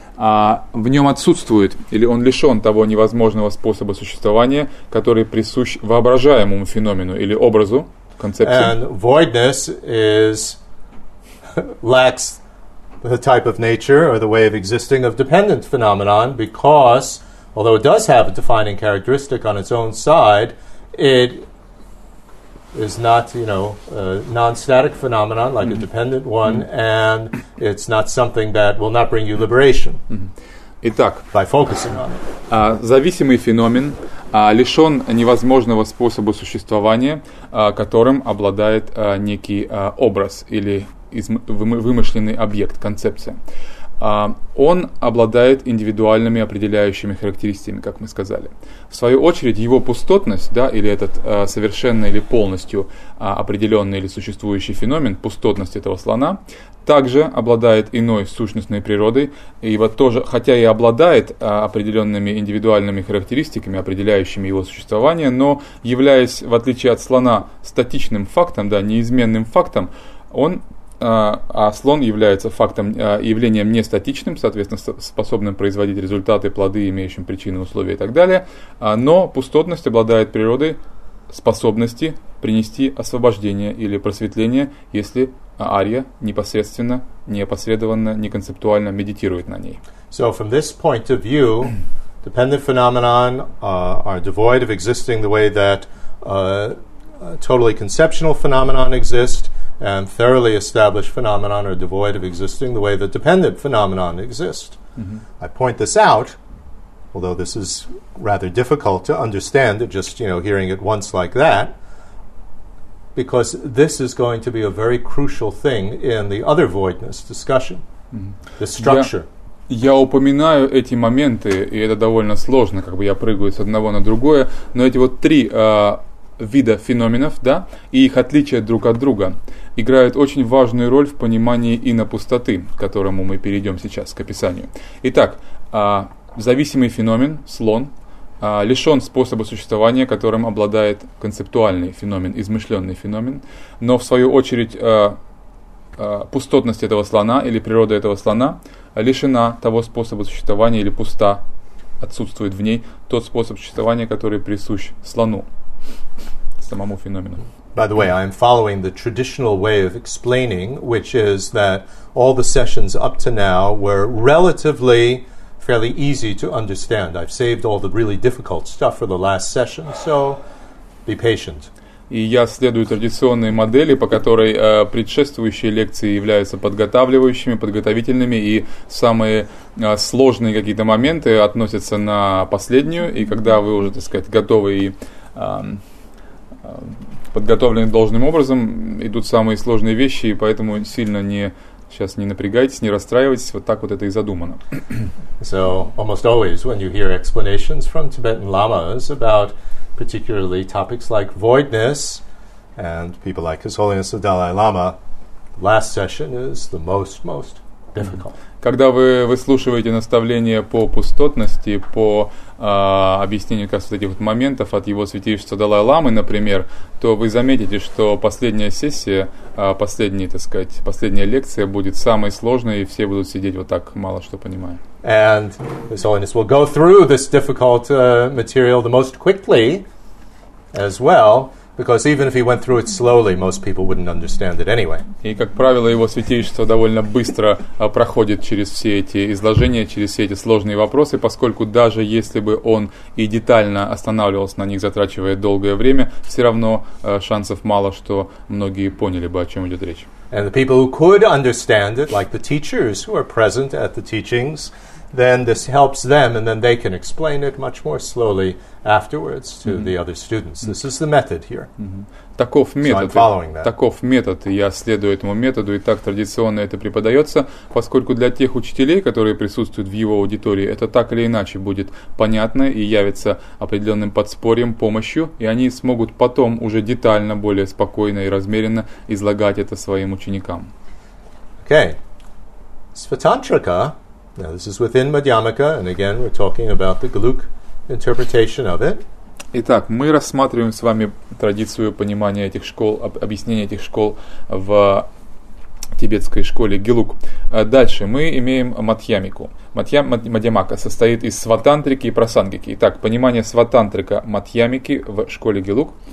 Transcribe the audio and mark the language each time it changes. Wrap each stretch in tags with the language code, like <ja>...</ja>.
<ru>В нем отсутствует, или он лишен того невозможного способа существования, который присущ воображаемому феномену или образу, концепции.</ru> <en>And voidness is lacks the type of nature or the way of existing of dependent phenomenon, because although it does have a defining characteristic on its own side, it is not, you know, a non-static phenomenon, like a dependent one, and it's not something that will not bring you liberation.</en> <ru>Итак,</ru> <en>by focusing on it.</en> <ru>Зависимый феномен лишен невозможного способа существования, которым обладает некий образ или вымышленный объект, концепция. Он обладает индивидуальными определяющими характеристиками, как мы сказали. В свою очередь, его пустотность, да, или этот совершенно или полностью определенный или существующий феномен, пустотность этого слона, также обладает иной сущностной природой, и вот тоже, хотя и обладает определенными индивидуальными характеристиками, определяющими его существование, но являясь, в отличие от слона, статичным фактом, да, неизменным фактом, он а слон является фактом, явлением нестатичным, соответственно, способным производить результаты, плоды, имеющим причины, условия и так далее. Но пустотность обладает природой способности принести освобождение или просветление, если Ария непосредственно, неопосредованно, неконцептуально медитирует на ней.</ru> <en>So from this point of view, dependent phenomenon are devoid of existing the way that totally conceptual phenomenon exist. And thoroughly established phenomenon are devoid of existing the way that dependent phenomenon exist. Mm-hmm. I point this out, although this is rather difficult to understand, just, you know, hearing it once like that, because this is going to be a very crucial thing in the other voidness discussion, the structure. Yeah.</en> <ru>Я упоминаю эти моменты, и это довольно сложно, как бы я прыгаю с одного на другое, но эти вот три вида феноменов, да, и их отличие друг от друга играют очень важную роль в понимании инопустоты, к которому мы перейдем сейчас, к описанию. Итак, зависимый феномен, слон, лишен способа существования, которым обладает концептуальный феномен, измышленный феномен, но в свою очередь пустотность этого слона или природа этого слона лишена того способа существования или пуста, отсутствует в ней тот способ существования, который присущ слону, самому феномену.</ru> <en>By the way, I'm following the traditional way of explaining, which is that all the sessions up to now were relatively fairly easy to understand. I've saved all the really difficult stuff for the last session, so be patient.</en> <ru>И я следую традиционной модели, по которой предшествующие лекции являются подготавливающими, подготовительными, и самые сложные какие-то моменты относятся на последнюю, и когда вы уже, так сказать, готовы и подготовлены должным образом, идут самые сложные вещи, и поэтому сильно не, сейчас не напрягайтесь, не расстраивайтесь, вот так вот это и задумано.</ru> <en>So, almost always, when you hear explanations from Tibetan lamas about particularly topics like voidness and people like His Holiness the Dalai Lama, last session is the most difficult.</en> <ru>Когда вы выслушиваете наставления по пустотности, по объяснению как раз вот этих вот моментов от Его Святейшества Далай-Ламы, например, то вы заметите, что последняя сессия, последняя, так сказать, последняя лекция будет самой сложной, и все будут сидеть вот так, мало что понимая.</ru> <en>And His Holiness will go through this difficult material the most quickly as well, because even if he went through it slowly, most people wouldn't understand it anyway.</en> <ru>И, как правило, Его Святейшество довольно быстро проходит через все эти изложения, через все эти сложные вопросы, поскольку даже если бы он и детально останавливался на них, затрачивая долгое время, все равно шансов мало, что многие поняли бы, о чем идет речь.</ru> <en>And the people who could understand it, like the teachers who are present at the teachings, then this helps them, and then they can explain it much more slowly afterwards to mm-hmm. the other students. This is the method here.</en> <ru>Mm-hmm. Таков метод.</ru> <en>So I'm following that.</en> <ru>Таков метод, и я следую этому методу, и так традиционно это преподается, поскольку для тех учителей, которые присутствуют в его аудитории, это так или иначе будет понятно и явится определенным подспорьем, помощью, и они смогут потом уже детально, более спокойно и размеренно излагать это своим ученикам.</ru> <en>Okay. Svatantrika. Now, this is within Madhyamaka, and again, we're talking about the Galuk interpretation of it.</en> <ru>Итак, мы рассматриваем с вами традицию понимания этих школ, объяснения этих школ в тибетской школе Галук. Дальше, мы имеем Мадхьямику. Мадхьямака состоит из сватантрики и прасангики. Итак, понимание сватантрика Мадхьямики в школе Галук.</ru>